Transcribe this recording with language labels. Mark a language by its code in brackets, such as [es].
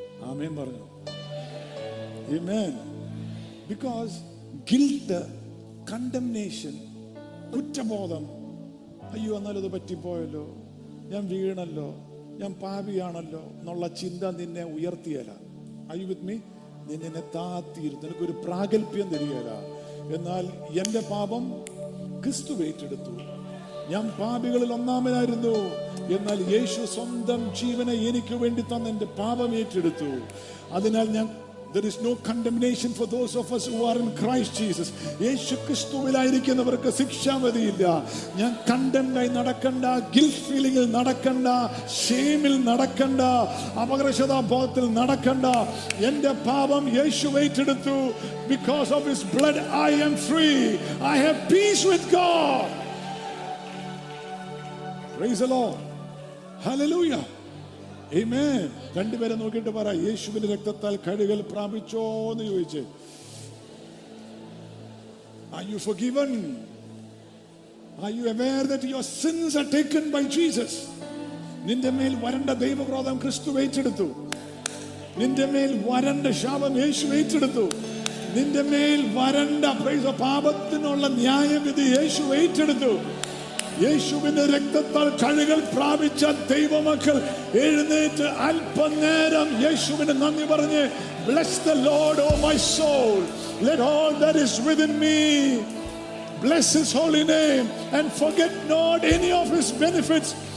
[ml] Amen പറഞ്ഞു. Amen. [en] Because guilt, condemnation, [ml] കുറ്റബോധം, അയ്യോ എന്നാലും ഇത് പറ്റിപ്പോയല്ലോ, ഞാൻ വീണല്ലോ, ഞാൻ പാപിയാണല്ലോ എന്നുള്ള ചിന്ത നിന്നെ ഉയർത്തിയല്ല. [en] Are you with me? [ml] നിന്നെ താത്തിയിരുന്നു, നിനക്കൊരു പ്രാഗൽഭ്യം തരികയല്ല. എന്നാൽ എന്റെ പാപം ക്രിസ്തു ഏറ്റെടുത്തു. ഞാൻ പാപികളിൽ ഒന്നാമനായിരുന്നു, എന്നാൽ യേശു സ്വന്തം ജീവനെ എനിക്ക് വേണ്ടി തന്ന എന്റെ പാപം ഏറ്റെടുത്തു. അതിനാൽ ഞാൻ, [en] there is no condemnation for those of us who are in Christ Jesus. [ml] യേശു ക്രിസ്തുവിൽ ആയിരിക്കുന്നവർക്ക് ശിക്ഷാവിധിയില്ല. ഞാൻ condemned ആയി നടക്കണ്ട, guilt feeling ൽ നടക്കണ്ട, shame ൽ നടക്കണ്ട, അപകർഷതാബോധത്തിൽ നടക്കണ്ട. എന്റെ പാപം യേശു ഏറ്റെടുത്തു. [en] Because of his blood I am free. I have peace with God. Praise the Lord. Hallelujah. [ml] രണ്ടുപേരെ നോക്കിട്ട് പറ യേശുവിന്റെ രക്തത്താൽ കഴുകൽ പ്രാപിച്ചോ എന്ന് ചോദിച്ചു. [en] Are you forgiven? Are you aware that your sins are taken by Jesus? [ml] നിന്റെ മേൽ വരണ്ട ദൈവക്രോധം ക്രിസ്തു ഏറ്റെടുത്തു. നിന്റെ മേൽ വരണ്ട ശാപം യേശു ഏറ്റെടുത്തു. നിന്റെ മേൽ വരണ്ട പാപത്തിനുള്ള ന്യായവിധി യേശു ഏറ്റെടുത്തു. യേശുവിന്റെ രക്തത്താൽ കഴുകൽ പ്രാപിച്ച ദൈവമക്കൾ എഴുന്നേറ്റ് അല്പനേരം യേശുവിന് നന്ദി പറഞ്ഞ് [en] Bless the Lord O my soul, let all that is within me bless his holy name and forget not any of his benefits.